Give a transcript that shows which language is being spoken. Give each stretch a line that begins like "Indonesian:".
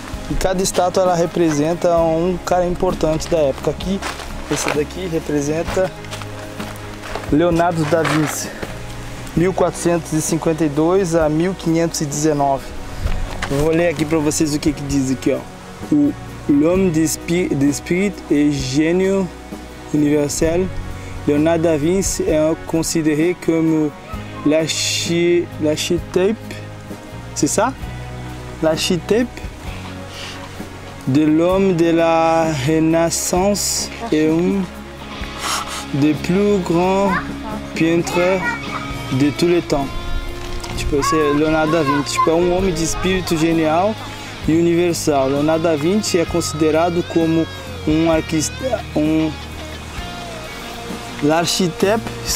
Portuguese: E cada estátua, ela representa um cara importante da época. Aqui, esse daqui representa Leonardo da Vinci. 1452 a 1519. Eu vou ler aqui pra vocês o que que diz aqui, ó.
French: L'homme d'esprit et génie universel, Leonardo da Vinci é considéré comme l'architecte, c'est ça? L'architecte de l'homme de la Renaissance et un des plus grands peintres de tous les temps.
Portuguese: Tipo, esse é Leonardo da Vinci, tipo, é um homem de espírito genial e universal. Leonardo da Vinci é considerado como um arquiteto, l'architecte.